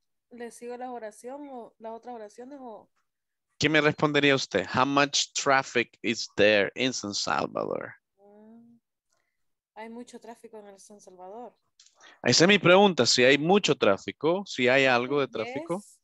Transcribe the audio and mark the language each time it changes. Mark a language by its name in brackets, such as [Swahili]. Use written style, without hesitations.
[Spanish] ¿Le sigo las oraciones o las otras oraciones o? ¿Qué me respondería usted? [English] How much traffic is there in San Salvador? [Spanish] Hay mucho tráfico en el San Salvador. Esa es mi pregunta, si hay mucho tráfico, si hay algo de tráfico.